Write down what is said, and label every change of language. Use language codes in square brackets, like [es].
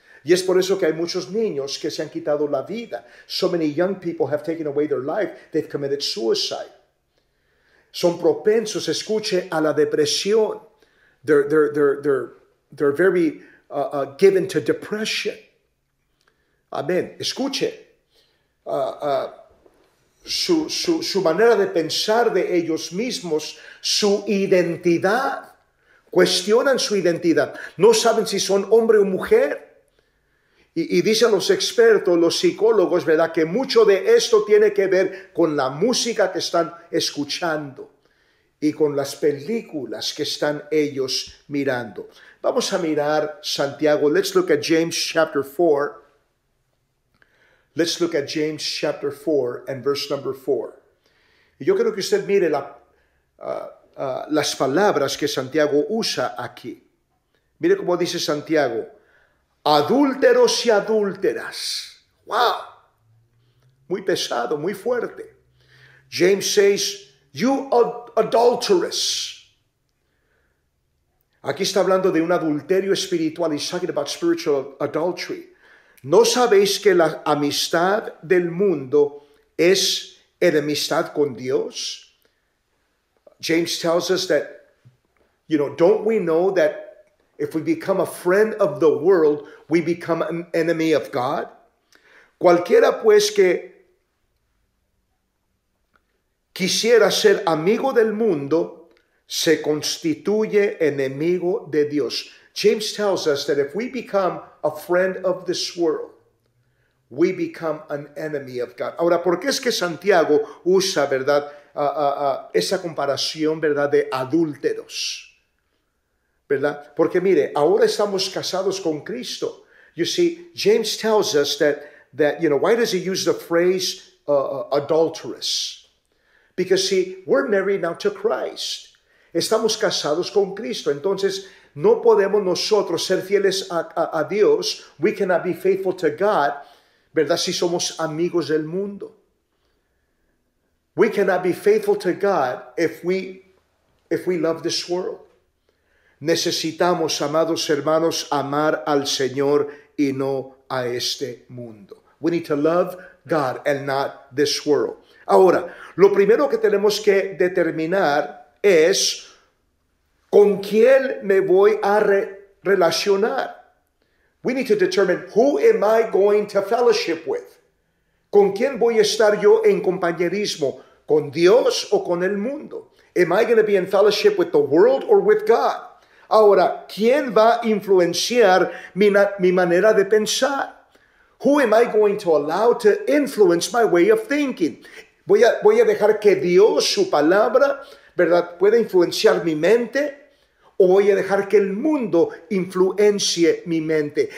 [es] Y es por eso que hay muchos niños que se han quitado la vida. [en] So many young people have taken away their life. They've committed suicide. [es] Son propensos, escuche, a la depresión. [en] They're very given to depression. Amén. Escuche. [es] Su manera de pensar de ellos mismos, su identidad. Cuestionan su identidad. No saben si son hombre o mujer. Y dicen los expertos, los psicólogos, ¿verdad?, que mucho de esto tiene que ver con la música que están escuchando y con las películas que están ellos mirando. Vamos a mirar Santiago. [en] Let's look at James chapter 4. Let's look at James chapter 4 and verse number 4. [es] Y yo quiero que usted mire las palabras que Santiago usa aquí. Mire cómo dice Santiago. Adúlteros y adúlteras. Wow. Muy pesado, muy fuerte. [en] James says, you adulterous. [es] Aquí está hablando de un adulterio espiritual. [en] He's talking about spiritual adultery. [es] ¿No sabéis que la amistad del mundo es enemistad con Dios? [en] James tells us that, you know, don't we know that if we become a friend of the world, we become an enemy of God. [es] Cualquiera pues que quisiera ser amigo del mundo se constituye enemigo de Dios. [en] James tells us that if we become a friend of this world, we become an enemy of God. [es] Ahora, ¿por qué es que Santiago usa, verdad, esa comparación, verdad, de adúlteros? ¿Verdad? Porque mire, ahora estamos casados con Cristo. [en] You see, James tells us that you know, why does he use the phrase adulterous? Because see, we're married now to Christ. [es] Estamos casados con Cristo. Entonces, no podemos nosotros ser fieles a Dios. [en] We cannot be faithful to God, ¿verdad? [es] Si somos amigos del mundo. [en] We cannot be faithful to God if we love this world. [es] Necesitamos, amados hermanos, amar al Señor y no a este mundo. [en] We need to love God and not this world. [es] Ahora, lo primero que tenemos que determinar es con quién me voy a relacionar. [en] We need to determine who am I going to fellowship with. [es] ¿Con quién voy a estar yo en compañerismo? ¿Con Dios o con el mundo? [en] Am I going to be in fellowship with the world or with God? [es] Ahora, ¿quién va a influenciar mi manera de pensar? [en] Who am I going to allow to influence my way of thinking? [es] ¿Voy a dejar que Dios, su palabra, verdad, pueda influenciar mi mente? ¿O voy a dejar que el mundo influencie mi mente?